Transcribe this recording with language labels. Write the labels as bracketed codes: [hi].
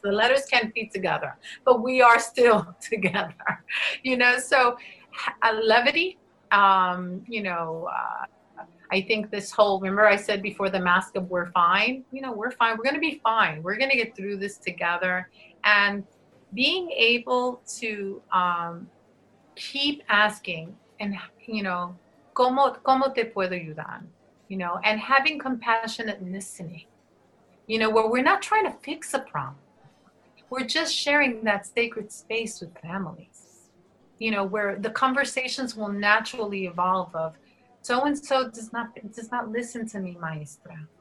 [en] The letters can't be together, but we are still together, you know? So levity, you know, I think this whole, remember I said before the mask of we're fine, you know, we're fine. We're going to be fine. We're going to get through this together. And being able to keep asking and, you know, [es] ¿cómo te puedo ayudar? [en] You know, and having compassionate listening, you know, where we're not trying to fix a problem. We're just sharing that sacred space with families, you know, where the conversations will naturally evolve of, so-and-so does not listen to me, maestra.